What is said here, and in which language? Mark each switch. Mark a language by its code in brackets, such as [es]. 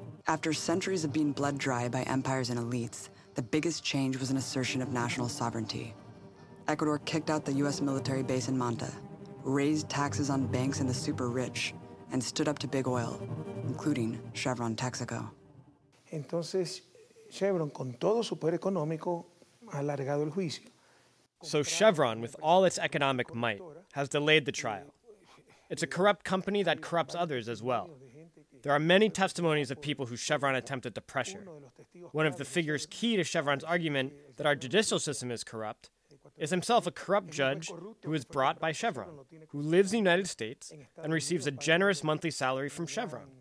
[en] After centuries of being bled dry by empires and elites, the biggest change was an assertion of national sovereignty. Ecuador kicked out the U.S. military base in Manta, raised taxes on banks and the super rich, and stood up to big oil, including Chevron Texaco. [es] Entonces, Chevron, con todo su poder económico, ha alargado el juicio. [en] So Chevron, with all its economic might, has delayed the trial. It's a corrupt company that corrupts others as well. There are many testimonies of people who Chevron attempted to pressure. One of the figures key to Chevron's argument that our judicial system is corrupt is himself a corrupt judge who is brought by Chevron, who lives in the United States and receives a generous monthly salary from Chevron.